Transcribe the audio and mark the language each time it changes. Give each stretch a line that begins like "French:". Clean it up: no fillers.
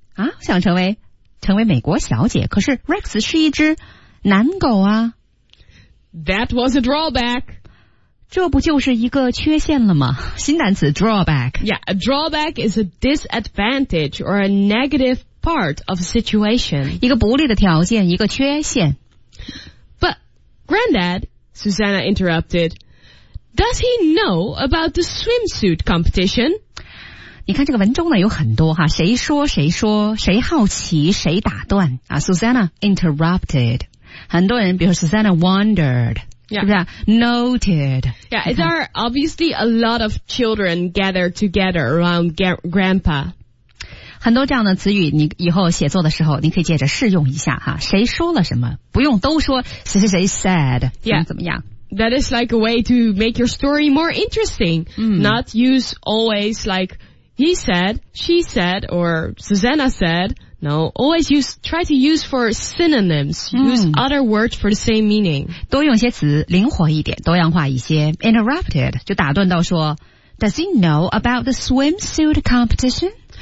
Chinese: 啊，想成为美国小姐，可是 Rex 是一只男狗啊。
English: That was a drawback.
Chinese: 这不就是一个缺陷了吗？新单词 drawback.
English: Yeah, a drawback is a disadvantage or a negative part of a situation.
Chinese: 一个不利的条件，一个缺陷。
English: But Granddad, Susanna interrupted, does he know about the swimsuit competition?
Chinese: 你看这个文中呢有很多哈，谁说谁说，谁好奇谁打断啊。
English: Susanna interrupted.
Chinese: 很多人比如
English: Susanna wondered,、 yeah.
Chinese: 是不是 ?Noted.
English: Yeah, there are obviously a lot of children gathered together around grandpa.
Chinese: 很多这样的词语你以后写作的时候你可以接着试用一下哈，谁说了什么，不用都说谁谁谁 said, 怎么样。
English: Yeah. That is like a way to make your story more interesting,、not use always like he said, she said, or Susanna said. No, always try to use for synonyms,、use other words for the same meaning.
Chinese: 多用些词，灵活一点，多样化一些。
English: Interrupted,
Chinese: 就打断到说
English: does he know about the swimsuit competition?